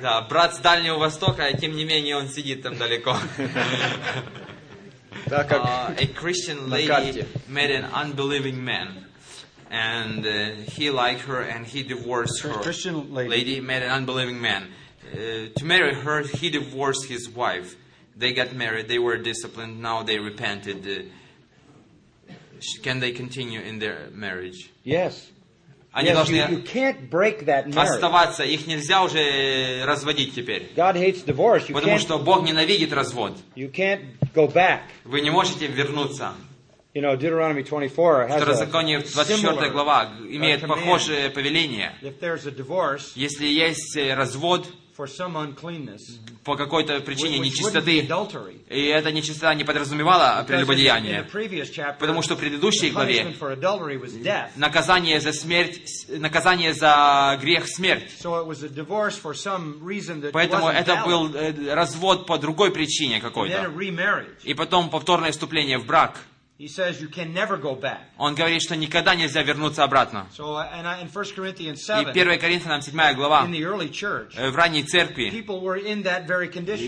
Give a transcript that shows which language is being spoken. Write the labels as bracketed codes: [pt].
[ru] Да, брат с Дальнего Востока, и тем не менее он сидит там далеко. Так как [en] a Christian lady met an unbelieving man, and he liked her, and he divorced her. Christian lady. Lady met an unbelieving man. To marry her, he divorced his wife. They got married. They were disciplined. Now they repented. Can they continue in their marriage? Yes. [ru] Они [en] yes, [ru] должны [en] you can't break that marriage. [ru] Оставаться. Их нельзя уже разводить теперь. [en] God hates divorce. You [ru] потому [en] can't, [ru] что Бог ненавидит развод. [en] You can't go back. [ru] Вы не можете вернуться. [en] You know, Deuteronomy 24 has [ru] Второзаконие 24 глава имеет похожее повеление. [en] If there's a divorce, [ru] если есть развод [en] for some uncleanness, [ru] по какой-то причине нечистоты, [en] adultery, [ru] и эта нечистота не подразумевала прелюбодеяние, потому что в предыдущей главе наказание за смерть, наказание за грех смерть. [en] So it was a divorce for some reason that [ru] поэтому [en] wasn't [ru] это был развод по другой причине какой-то. И потом повторное вступление в брак. [en] He says you can never go back. [ru] Он говорит, что никогда нельзя вернуться обратно. [en] So, and I, in 1 Corinthians 7, [ru] и 1 Коринфянам 7 глава, [en] in the early church, [ru] в ранней церкви, [en] people were in that very condition.